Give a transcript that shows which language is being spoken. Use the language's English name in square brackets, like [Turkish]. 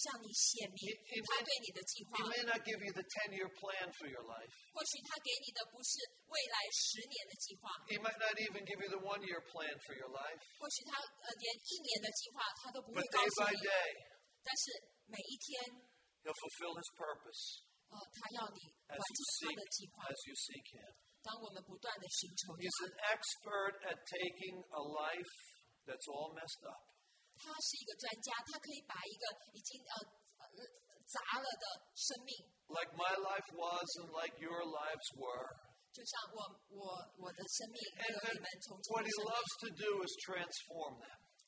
[Chinese] 我没有办法告诉你们每一个人神对你的计划，但是如果我们寻求他，他会慢慢的向你显明他对你的计划。 [English] He may not give you the 10-year plan for your life. [Chinese] 或许他给你的不是未来10年的计划。 [English] He might not even give you the 1-year plan for your life. [Chinese] 或许他连一年的计划他都不会告诉你。 [English] But day by day, [Chinese] 但是每一天, [English] He'll fulfill His purpose as you seek Him. He's an expert at taking a life that's all messed up. [Chinese] 他是一个专家，他可以把一个已经砸了的生命， [English] like my life was and like your lives were. [Chinese] 就像我的生命和你们从前的生命。 [English] What He loves to do is transform them.